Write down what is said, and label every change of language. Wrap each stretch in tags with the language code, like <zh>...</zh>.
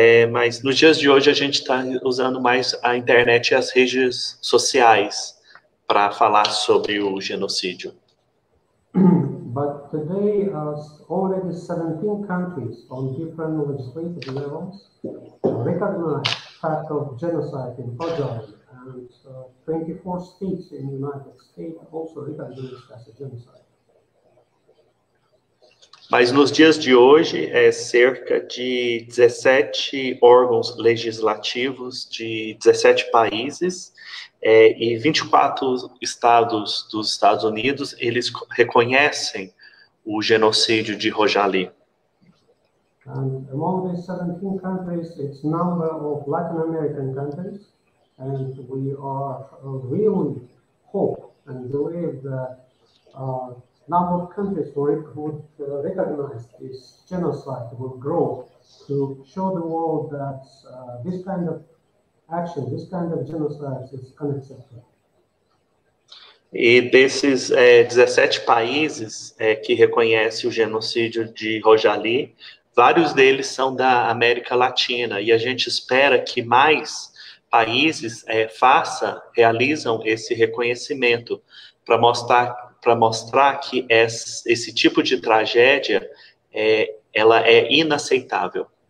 <pt>Mas nos dias de hoje a gente está usando mais a internet e as redes sociais para falar sobre o genocídio.</pt> <en>But today, already 17 countries on different legislative levels recognize fact of genocide in Kodály, and 24 states in the United States also recognize as a genocide.</en> <pt>Mas nos dias de hoje, cerca de 17 órgãos legislativos de 17 países e 24 estados dos Estados Unidos, eles reconhecem o genocídio de Rojali.</pt> <en>And among these 17 countries, it's number of Latin American countries, and we are really hope and believe that number of countries would recognize this genocide will grow to show the world that this kind of action, this kind of genocide is unacceptable.</en> <pt>E desses 17 países que reconhecem o genocídio de Rojali, vários deles são da América Latina, e a gente espera que mais países realizam esse reconhecimento para mostrar que esse tipo de tragédia ela é inaceitável.</pt>